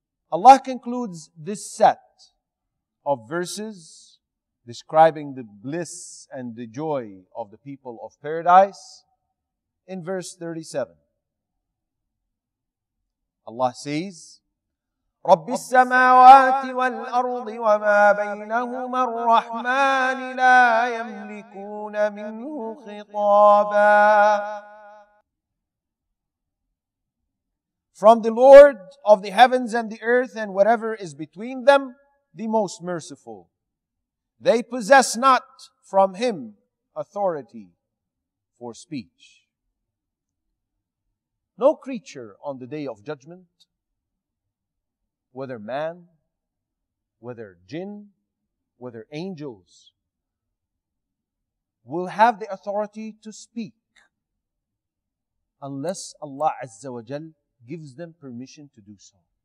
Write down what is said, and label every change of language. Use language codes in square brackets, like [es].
[en] Allah concludes this set of verses describing the bliss and the joy of the people of paradise in verse 37. Allah says, [ar] رب السماوات والأرض وما بينهما الرحمن لا يملكون منه خطابا. ف [en] from the Lord of the heavens and the earth and whatever is between them, the most merciful. They possess not from him authority for speech. No creature on the day of judgment, whether man, whether jinn, whether angels, will have the authority to speak unless Allah Azza wa Jal gives them permission to do so.